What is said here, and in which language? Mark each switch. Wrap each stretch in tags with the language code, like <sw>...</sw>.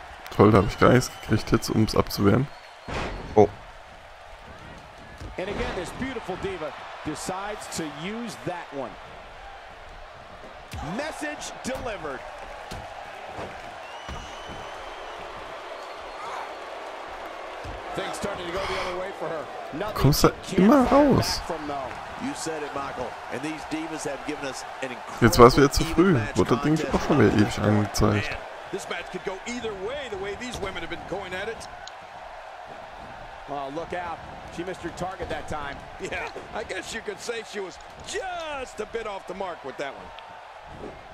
<de>Toll, da habe ich gar nichts gekriegt jetzt, um es abzuwehren. Oh.</de> <en>And again, this beautiful diva decides to use that one. Message delivered. Things starting to go the other way for her.</en> <de>Kommst du immer raus?</de> <en>You said it, Michael. And these divas have given us an incredible.</en> <de>Jetzt war es wieder zu früh. Wurde das Ding auch schon wieder ewig angezeigt.</de> <en>This match could go either way, the way these women have been going at it. Look out. She missed her target that time. Yeah, I guess you could say she was just a bit off the mark with that one.</en>